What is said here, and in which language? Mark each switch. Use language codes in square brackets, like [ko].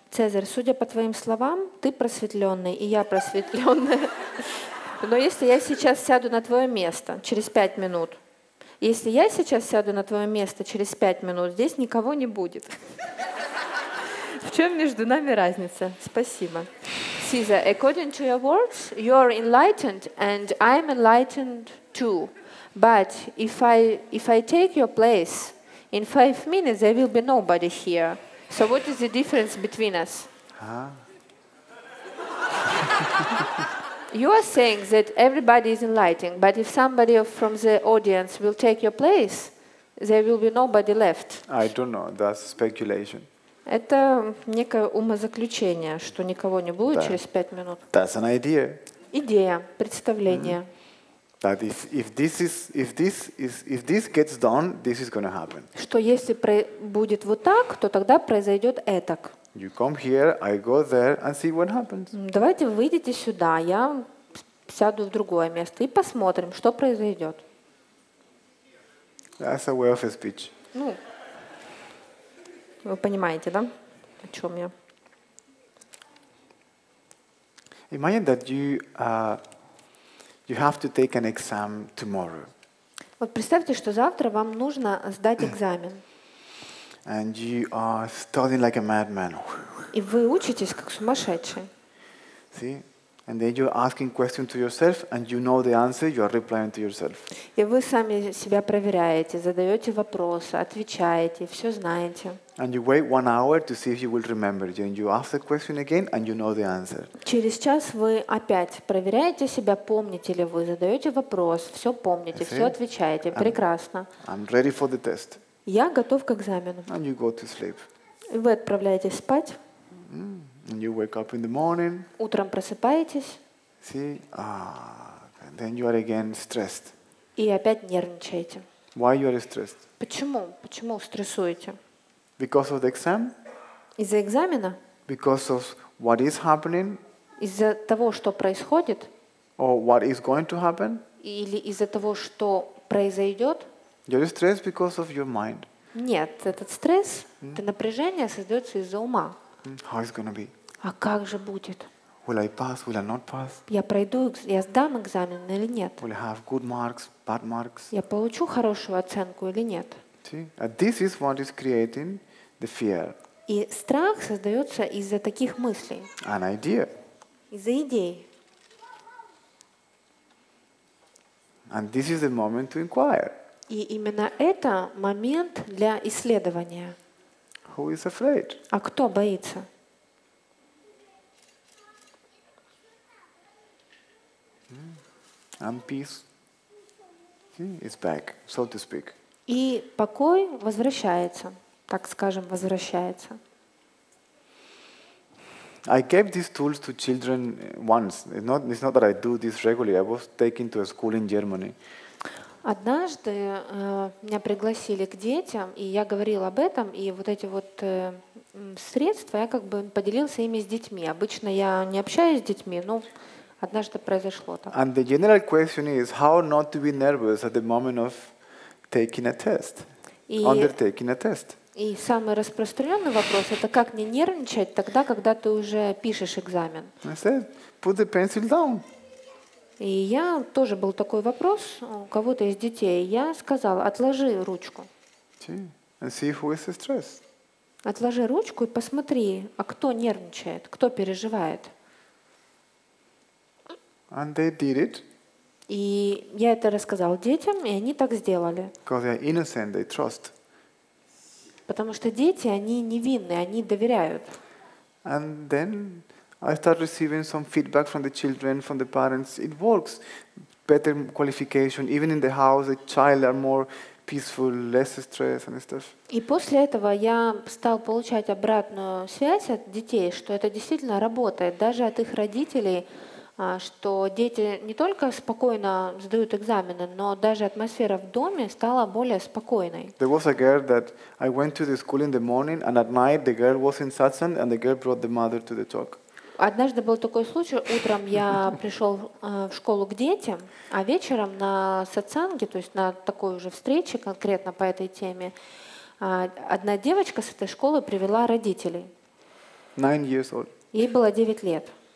[ru] Цезарь, судя по твоим словам, ты просветленный, и я просветленная. Но если я сейчас сяду на твое место через 5 минут, если я сейчас сяду на твое место через 5 минут, здесь никого не будет. В чем между нами разница? Спасибо. [en] Caesar, according to your words, you are enlightened, and I am enlightened too. But if I take your place, in 5 minutes there will be nobody here. So what is the difference between us? Huh? You are saying that everybody is enlightened, but if somebody from the audience will take your place, there will be nobody left. I don't know. That's speculation. [ru] Это некое умозаключение, что никого не будет that, через 5 минут. [en] That's an idea. [ru] Идея, представление. Mm-hmm. [en] That if this gets done, this is going to happen. [ru] Что если будет вот так, то тогда произойдет этак. [en] You come here, I go there, and see what happens. [ru] Давайте выйдите сюда, я сяду в другое место и посмотрим, что произойдет. [en] That's a way of speech. [ru] Ну, вы понимаете, да, о чем я? [en] Imagine that you you have to take an exam tomorrow. [ru] Вот представьте, что завтра вам нужно сдать экзамен. [en] And you are studying like a madman. [ru] И вы учитесь как сумасшедший. [en] See? And then you're asking question to yourself, and you know the answer. You are replying to yourself. [ru] И вы сами себя проверяете, задаете вопросы, отвечаете, все знаете. [en] And you wait 1 hour to see if you will remember. Then you ask the question again, and you know the answer. [ru] Через час вы опять проверяете себя, помните ли вы, задаете вопрос, все помните, все отвечаете, прекрасно. [en] I'm ready for the test. [ru] Я готов к экзамену. [en] And you go to sleep. [ru] Вы отправляетесь спать. [en] Mm. And you wake up in the morning. [ru] Утром просыпаетесь. [en] See? Then you are again stressed. [ru] И опять нервничаете. [en] Why you are stressed? [ru] Почему? Почему стрессуете? [en] Because of the exam? [ru] Из-за экзамена? [en] Because of what is happening? [ru] Из-за того, что происходит? [en] Or what is going to happen? [ru] Или из-за того, что произойдет? [en] You're stressed because of your mind. [ru] Нет, этот стресс, это напряжение создается из-за ума. [en] How is it going to be? [ru] А как же будет? [en] Will I pass? Will I not pass? [ru] Я пройду, я сдам экзамен или нет? [en] Will I have good marks, bad marks? [ru] Я получу хорошую оценку или нет? [en] See, this is what is creating the fear. [ru] И страх создается из-за таких мыслей. [en] An idea. [ru] Из-за идей. [en] And this is the moment to inquire. [ru] И именно это момент для исследования. [en] Who is afraid? [ru] А кто боится? [en] And peace is back, so to speak. [ru] И покой возвращается, так скажем, возвращается. [en] I gave these tools to children once. It's not that I do this regularly. I was taken to a school in Germany. [ru] Однажды меня пригласили к детям, и я говорила об этом, и вот эти вот средства, я как бы поделился ими с детьми. Обычно я не общаюсь с детьми, но однажды произошло так. [en] And the general question is how not to be nervous at the moment of taking a test, undertaking a test. [ru] И самый распространенный вопрос – это как не нервничать тогда, когда ты уже пишешь экзамен. [en] I said, put the pencil down. [ru] И я тоже был такой вопрос у кого-то из детей. Я сказал, отложи ручку. [en] And see who is stressed. [ru] Отложи ручку и посмотри, а кто нервничает, кто переживает. [en] And they did it. [ru] И я это рассказал детям, и они так сделали. [en] Because they are innocent, they trust. [ru] Потому что дети, они невинны, они доверяют. [en] And then I started receiving some feedback from the children, from the parents. It works. Better qualification, even in the house, the child are more peaceful, less stress and stuff. [ru] И после этого я стал получать обратную связь от детей, что это действительно работает, даже от их родителей, что дети не только спокойно сдают экзамены, но даже атмосфера в доме стала более спокойной. [en] There was a girl that I went to the school in the morning, and at night the girl was in satsang, and the girl brought the mother to the talk. [ru] Однажды был такой случай, утром я пришел в школу к детям, а вечером на сатсанге, то есть на такой уже встрече конкретно по этой теме, одна девочка с этой школы привела родителей. [en] 9 years old. [ru] Ей было 9 лет.